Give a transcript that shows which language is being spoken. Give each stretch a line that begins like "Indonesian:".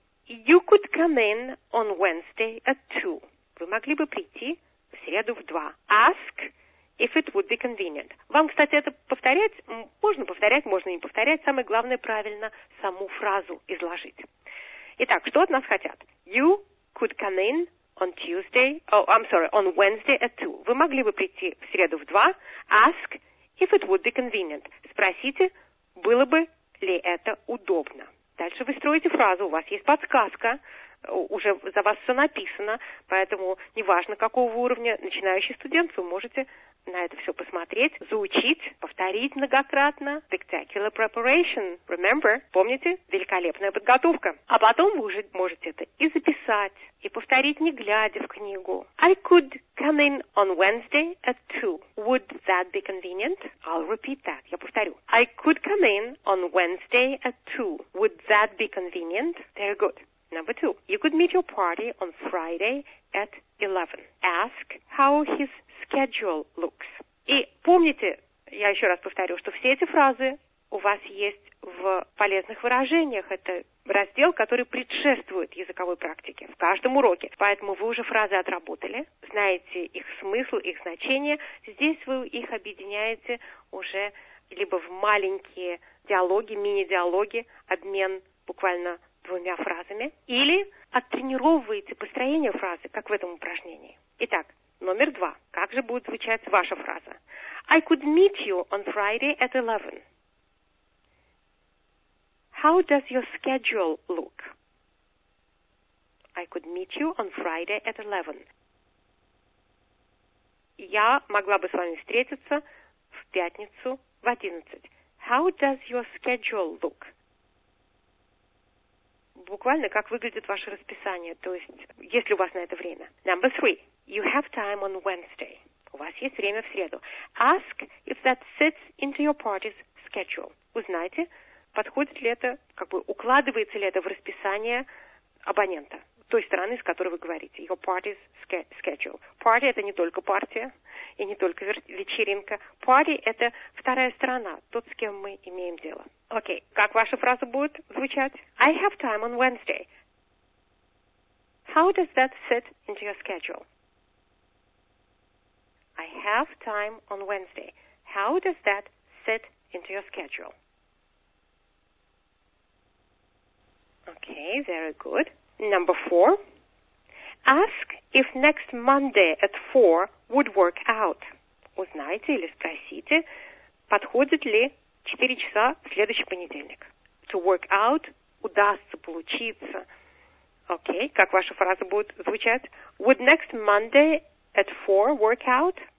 English: You could come in on Wednesday at 2.
Russian: Вы могли бы прийти в среду в 2.
English: Ask if it would be convenient.
Russian: Вам, кстати, это повторять, можно не повторять. Самое главное, правильно саму фразу изложить. Итак, что от нас хотят?
English: You could come in on Tuesday, oh, I'm sorry, on Wednesday at 2.
Russian: Вы могли бы прийти в среду в 2.
English: Ask if it would be convenient.
Russian: Спросите, было бы ли это удобно. Дальше вы строите фразу, у вас есть подсказка, уже за вас все написано, поэтому неважно, какого уровня начинающий студент, вы можете на это все посмотреть, заучить, повторить многократно.
English: Spectacular preparation, remember,
Russian: помните, великолепная подготовка. А потом вы уже можете это и записать, и повторить, не глядя в книгу.
English: I could come in on Wednesday at 2. Would that be convenient? I'll repeat that.
Russian: Я повторю.
English: I could come in on Wednesday at 2. Would that be convenient? Very good. Number two. You could meet your party on Friday at 11. Ask how his schedule looks.
Russian: И помните, я еще раз повторю, что все эти фразы у вас есть в полезных выражениях. Это раздел, который предшествует языковой практике в каждом уроке. Поэтому вы уже фразы отработали, знаете их смысл, их значение. Здесь вы их объединяете уже либо в маленькие диалоги, мини-диалоги, обмен буквально двумя фразами, или оттренировываете построение фразы, как в этом упражнении. Итак, номер два. Как же будет звучать ваша фраза?
English: I could meet you on Friday at 11. How does your schedule look? I could meet you on Friday at 11.
Russian: Я могла бы с вами встретиться в пятницу в 11.
English: How does your schedule look?
Russian: Буквально, как выглядит ваше расписание, то есть, есть ли у вас на это время.
English: Number three. You have time on Wednesday.
Russian: У вас есть время в среду.
English: Ask if that fits into your party's schedule.
Russian: Узнайте, подходит ли это, как бы укладывается ли это в расписание абонента, той стороны, с которой вы говорите.
English: Your party's schedule.
Russian: Party – это не только партия и не только вечеринка. Party – это вторая сторона, тот, с кем мы имеем дело. Окей, как ваша фраза будет звучать?
English: I have time on Wednesday. How does that fit into your schedule? I have time on Wednesday. How does that fit into your schedule? Okay, very good. Number four. Ask if next Monday at 4 would work out.
Russian: Узнайте или спросите, подходит ли 4 часа в следующий понедельник.
English: To work out,
Russian: удастся, получится. Okay, как ваша фраза будет звучать?
English: Would next Monday at 4 work out?